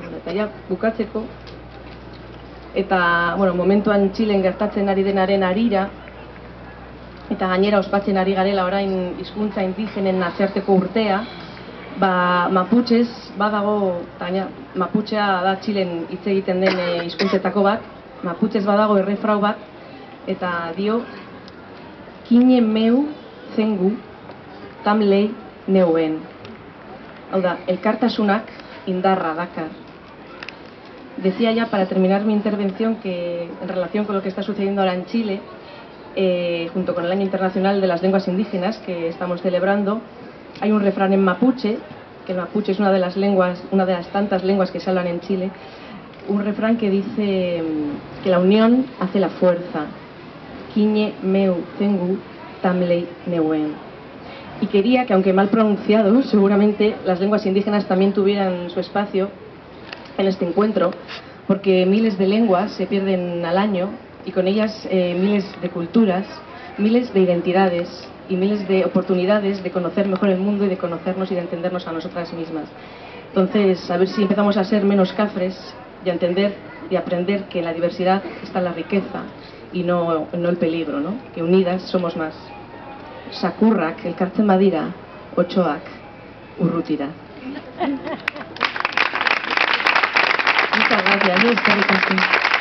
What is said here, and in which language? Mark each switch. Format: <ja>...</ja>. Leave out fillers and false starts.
<eu>Ya bukatzeko eta bueno, momentuan Txilen gertatzen ari denaren harira eta gainera ospatzen ari garela orain hizkuntza indigenen nazioarteko urtea, ba Mapuches badago, taña Mapuchea da Txilen hitz egiten den hizkuntzetako bat. Mapuches badago errefrau bat eta dio:</eu> <arn>Kinen meu zengu tamlei neuen.</arn> <eu>Hau da, elkartasunak indarra dakar.</eu> <es>Decía ya, para terminar mi intervención, que en relación con lo que está sucediendo ahora en Chile, junto con el Año Internacional de las Lenguas Indígenas que estamos celebrando, hay un refrán en mapuche, que el mapuche es una de las lenguas, una de las tantas lenguas que se hablan en Chile, un refrán que dice que la unión hace la fuerza.</es> <arn>Kiñe meu zengu tamlei neuen.</arn> <es>Y quería que, aunque mal pronunciado, seguramente las lenguas indígenas también tuvieran su espacio en este encuentro, porque miles de lenguas se pierden al año y con ellas miles de culturas, miles de identidades y miles de oportunidades de conocer mejor el mundo y de conocernos y de entendernos a nosotras mismas. Entonces, a ver si empezamos a ser menos cafres y a entender y aprender que en la diversidad está la riqueza y no el peligro, ¿no? Que unidas somos más.</es> <eu>Sakurrak elkartzen badira, otsoak urrutira.</eu> <es>Muchas gracias. Gracias.</es>